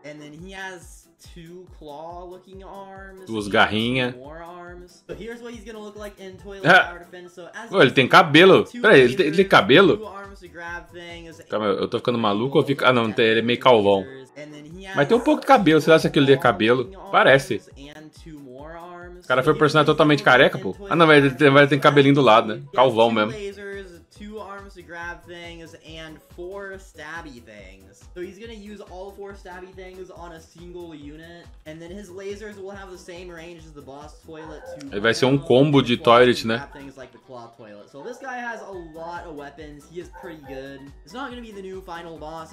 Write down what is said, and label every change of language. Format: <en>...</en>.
<en>And then he has two claw-looking arms.</en> <pt>Duas garrinhas.</pt> <en>More arms. But here's what he's gonna look like in toilet power defense. So as...</en> <pt>Ué, ele tem cabelo. Peraí, ele tem cabelo?</pt> <en>Two arms to grab things.</en> <pt>Calma, eu tô ficando maluco ou fico... Ah, não, ele é meio calvão. Mas tem um pouco de cabelo, você acha que ele é cabelo? Parece. O cara foi um personagem totalmente careca, pô. Ah, não, ele tem cabelinho do lado, né? Calvão mesmo.</pt> <en>Two arms to grab things and four stabby things. So he's gonna use all four stabby things on a single unit, and then his lasers will have the same range as the boss toilet.</en> <pt>Ele vai ser combo de toilet, né?</pt> <en>Things like the claw toilet. So this guy has a lot of weapons. He is pretty good. It's not gonna be the new final boss.</en>